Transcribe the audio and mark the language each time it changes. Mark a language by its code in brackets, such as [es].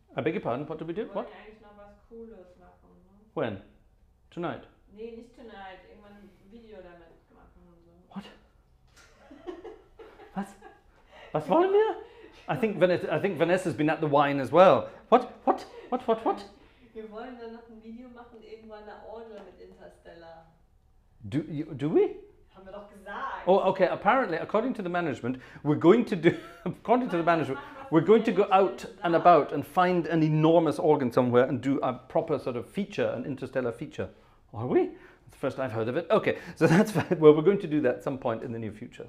[en] I beg your pardon, what do we do? [de] Wir [en] what? [de] Eigentlich noch was Cooles machen, ne? [en] When? Tonight? [de] Nee, nicht tonight. Irgendwann ein Video damit machen. [en] What? [de] Was? Was wollen wir? [en] I think Vanessa's been at the wine as well. What? [de] Wir wollen dann noch ein Video machen, irgendwann eine Orgel mit Interstellar. [en] Do we? [de] Haben wir doch gesagt. [en] Oh, okay. Apparently, according to the management, we're going to do, according to the management, we're going to go out and about and find an enormous organ somewhere and do a proper sort of feature, an Interstellar feature. Are we? It's the first I've heard of it. Okay, so that's fine. Well, we're going to do that at some point in the near future.